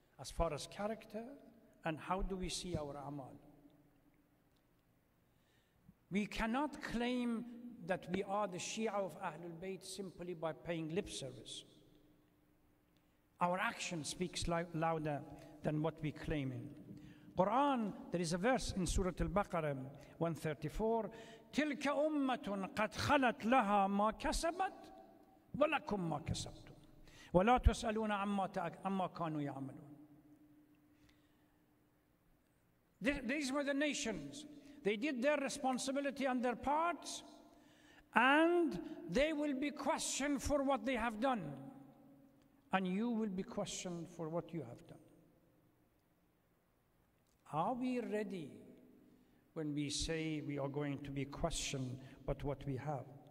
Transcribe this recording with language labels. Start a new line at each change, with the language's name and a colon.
English: As far as character, and how do we see our amal? We cannot claim that we are the Shia of Ahlul Bayt simply by paying lip service. Our action speaks louder than what we claim in. Quran, there is a verse in Surah Al-Baqarah 134,
Arabic: تِلْكَ أُمَّةٌ قَدْ خَلَتْ لَهَا مَا كَسَبَتْ وَلَكُمْ مَا كَسَبْتُمْ وَلَا تُسْأَلُونَ عَمَّا كَانُوا يَعْمَلُونَ.
English: These were the nations. They did their responsibility and their parts, and they will be questioned for what they have done, and you will be questioned for what you have done. Are we ready when we say we are going to be questioned but what we have?